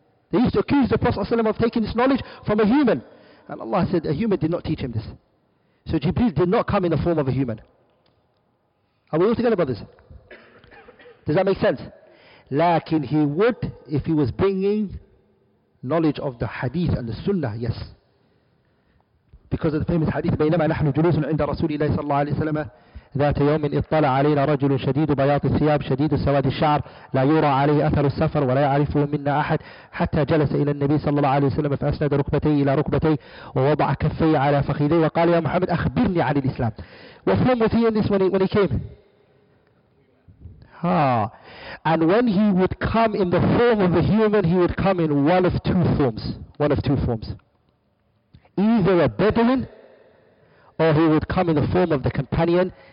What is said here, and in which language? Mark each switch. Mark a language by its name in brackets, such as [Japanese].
[English] They used to accuse the Prophet ﷺ of taking this knowledge from a human. And Allah said, a human did not teach him this. So Jibreel did not come in the form of a human. Are we all together, brothers? Does that make sense? لكن he would, if he was bringing knowledge of the hadith and the sunnah, yes. Because of the famous hadith, [Arabic] بَيْنَمَا نَحْنُ جُلُوسٌ عِنْدَ رَسُولِ اللَّهِ صَلَّى اللَّهِ عَلَيْهِ وَسَلَّمَ ذات يوم اطلع علينا رجل شديد بياض الثياب شديد سواد الشعر لا يرى عليه أثر السفر ولا يعرفه منا أحد حتى جلس إلى النبي صلى الله عليه وسلم فأسند ركبتي إلى ركبتي ووضع كفي على فخذي وقال يا محمد أخبرني عن الإسلام. وفهم في [English] this when he came. And when he would come in the form of a human, he would come in one of two forms. Either a Bedouin, or he would come in the form of the companion.